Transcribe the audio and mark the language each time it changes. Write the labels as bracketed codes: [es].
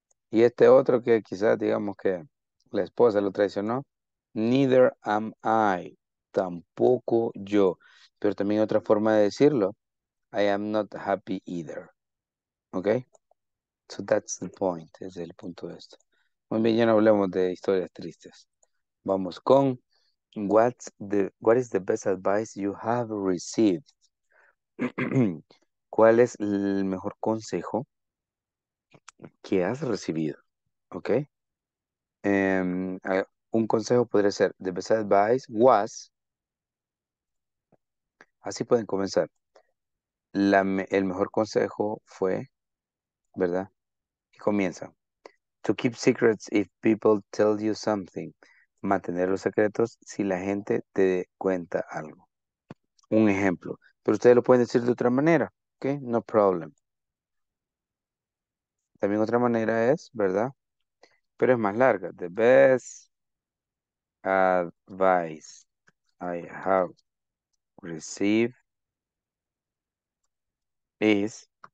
[es] Y este otro que quizás digamos que la esposa lo traicionó. [en] Neither am I. [es] Tampoco yo. Pero también hay otra forma de decirlo. [en] I am not happy either. [es] ¿Ok? [en] So that's the point, [es] es el punto de esto. Muy bien, ya no hablemos de historias tristes. Vamos con, [en] what is the best advice you have received? [es] ¿Cuál es el mejor consejo que has recibido? ¿Ok? Un consejo podría ser, [en] the best advice was, [es] así pueden comenzar, el mejor consejo fue, ¿verdad? Comienza. [en] To keep secrets if people tell you something. [es] Mantener los secretos si la gente te cuenta algo. Un ejemplo. Pero ustedes lo pueden decir de otra manera. [en] ¿Ok? No problem. [es] También otra manera es, ¿verdad? Pero es más larga. [en] The best advice I have received is.